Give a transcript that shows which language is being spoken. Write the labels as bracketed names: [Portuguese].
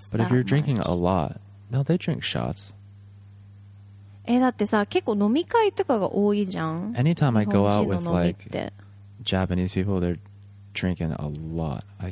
[English] But if you're drinking a lot, no, they drink shots. [Japanese] だってさ、結構飲み会とかが多いじゃん。 [English] Anytime I go out with like Japanese people, they're drinking a lot.